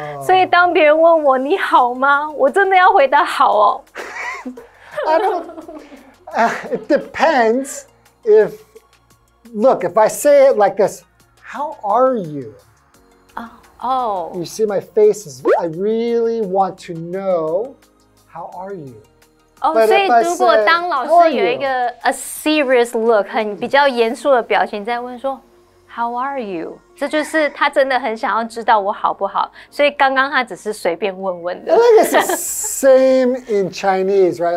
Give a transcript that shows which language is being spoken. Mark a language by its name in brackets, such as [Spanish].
[Chinese] 所以当别人问我你好吗，我真的要回答好哦。 [English] It depends. If I say it like this, how are you? Oh. You see my face is. I really want to know. How are you? [Chinese] 所以如果当老师有一个 [English] a serious look, [Chinese] 很比较严肃的表情在问说 [English] How are you? [Chinese] 这就是他真的很想要知道我好不好，所以刚刚他只是随便问问的。 [English] I think it's the same in Chinese, right?